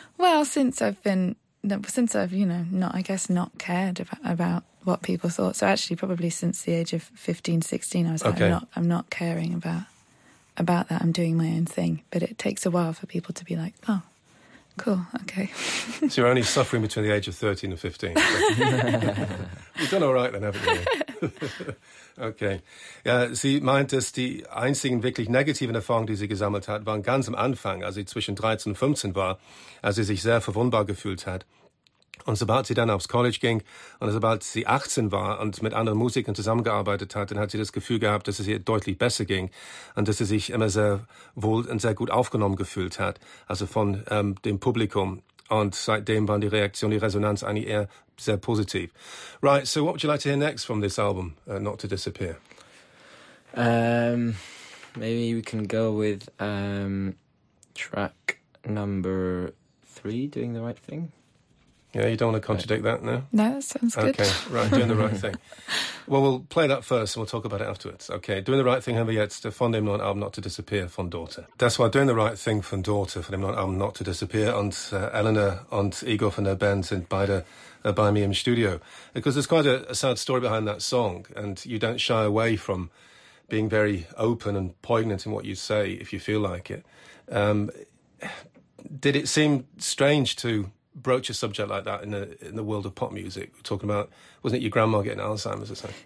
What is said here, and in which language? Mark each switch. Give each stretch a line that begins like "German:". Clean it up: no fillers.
English: Well, since I've, you know, not, I guess, not cared about what people thought. So actually, probably since the age of 15, 16, I was like, I'm not caring about that. I'm doing my own thing. But it takes a while for people to be like, oh. Cool, okay. So you're only suffering between the age of 13 and 15. You've done all right then, haven't you? Okay.
German: Ja, sie meint, dass die einzigen wirklich negativen Erfahrungen, die sie gesammelt hat, waren ganz am Anfang, als sie zwischen 13 und 15 war, als sie sich sehr verwundbar gefühlt hat. Und sobald sie dann aufs College ging und sobald sie 18 war und mit anderen Musikern zusammengearbeitet hat, dann hat sie das Gefühl gehabt, dass es ihr deutlich besser ging und dass sie sich immer sehr wohl und sehr gut aufgenommen gefühlt hat, also von dem Publikum. Und seitdem waren die Reaktion, die Resonanz eigentlich eher sehr positiv.
English: Right, so what would you like to hear next from this album, Not to Disappear? Maybe we can go with track number 3, Doing the Right Thing. Yeah, you don't want to contradict that, no? No, that sounds good. Okay, right, Doing the Right Thing. Well, we'll play that first and we'll talk about it afterwards.
German: Okay, Doing the Right Thing, haben wir jetzt von dem neuen Album Not to Disappear von Daughter. Das war Doing the Right Thing von Daughter, von dem neuen Album Not to Disappear. Und Eleanor und Igor von der Band sind beide bei mir im Studio.
English: Because there's quite a sad story behind that song, and you don't shy away from being very open and poignant in what you say, if you feel like it. Did it seem strange to broach a subject like that in the world of pop music? We're talking about, wasn't it your grandma getting Alzheimer's or something?